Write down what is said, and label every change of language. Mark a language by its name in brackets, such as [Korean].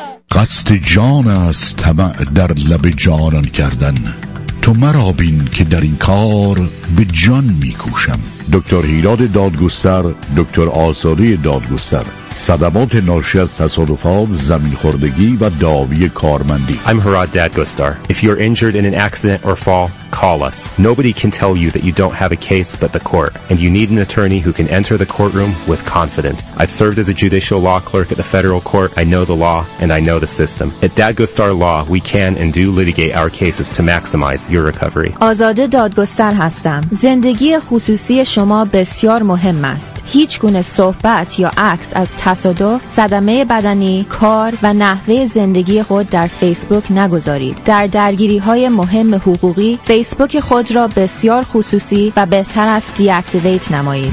[Persian] قصد جان است طمع در لب جانان کردن، تو مرا بین که در این کار به جان می کوشم. دکتر هیراد دادگستر، دکتر آثاری دادگستر، صدمات ناشی از تصادفات، زمین خوردگی و دعاوی کارمندی. [English] I'm Hirad Dadgostar. If you're injured in an accident or fall, call us. Nobody can tell you that you don't have a case but the court, and you need an attorney who can enter the courtroom with confidence. I've served as a judicial law clerk at the federal court. I know the law and I know the system. At Dadgostar Law, we can and do litigate our cases to maximize your recovery. [Persian] آزاده دادگستر هستم. زندگی خصوصی شما بسیار مهم است. هیچ گونه صحبت یا عکس از تصادف، صدمه بدنی، کار و نحوه زندگی خود در فیسبوک نگذارید. در درگیری‌های مهم حقوقی، فیسبوک خود را بسیار خصوصی و بهتر است دی‌اکتیویت نمایید.